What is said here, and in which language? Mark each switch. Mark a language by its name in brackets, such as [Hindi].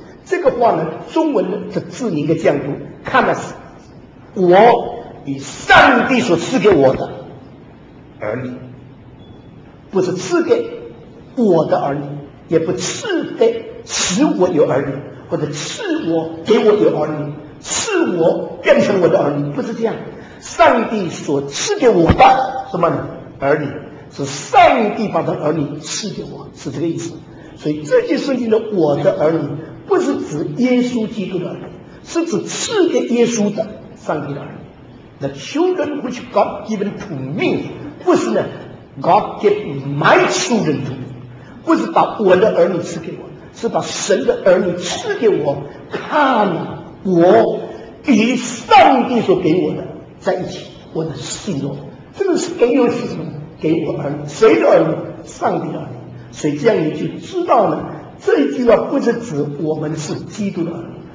[Chinese] 这个话呢中文的字应该这样读，看的是我与上帝所赐给我的儿女，不是赐给我的儿女，也不赐给使我有儿女，或者赐我给我有儿女，赐我变成我的儿女，不是这样。上帝所赐给我的什么儿女，是上帝把他儿女赐给我，是这个意思。所以这些圣经的我的儿女，不是指耶稣基督的儿女，是指赐给耶稣的上帝的儿女。 [English] The children which God given to me， [Chinese] 不是呢 [English] God give my children to me， [Chinese] 不是把我的儿女赐给我，是把神的儿女赐给我。看我与上帝所给我的在一起，我的信诺，这个是给我是什么？给我儿女，谁的儿女？上帝的儿女。所以这样你就知道了，这一句话不是指我们是基督的儿女。